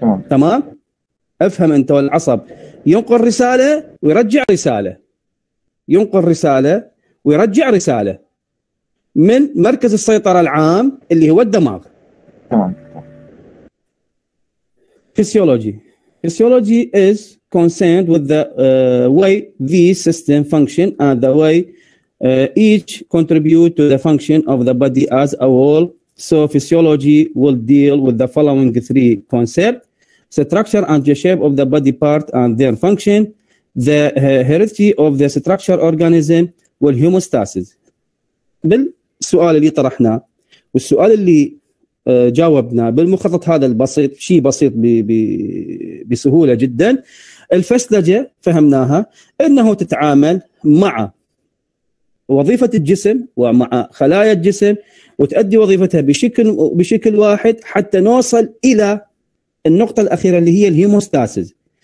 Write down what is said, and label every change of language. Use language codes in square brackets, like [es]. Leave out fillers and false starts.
[ar] تمام افهم انت. والعصب ينقل رساله ويرجع رساله، ينقل رساله ويرجع رساله من مركز السيطره العام اللي هو الدماغ. تمام. [en] Physiology is concerned with the way the system function and the way each contribute to the function of the body as a whole. So physiology will deal with the following three concepts: structure and the shape of the body part and their function, the heredity of the structure organism, and homeostasis. [ar] بالسؤال اللي طرحناه والسؤال اللي جاوبنا بالمخطط هذا البسيط، شيء بسيط بسهوله جدا، الفسلجه فهمناها انه تتعامل مع وظيفه الجسم ومع خلايا الجسم وتؤدي وظيفتها بشكل واحد حتى نوصل الى النقطه الاخيره اللي هي الهيموستاسيس.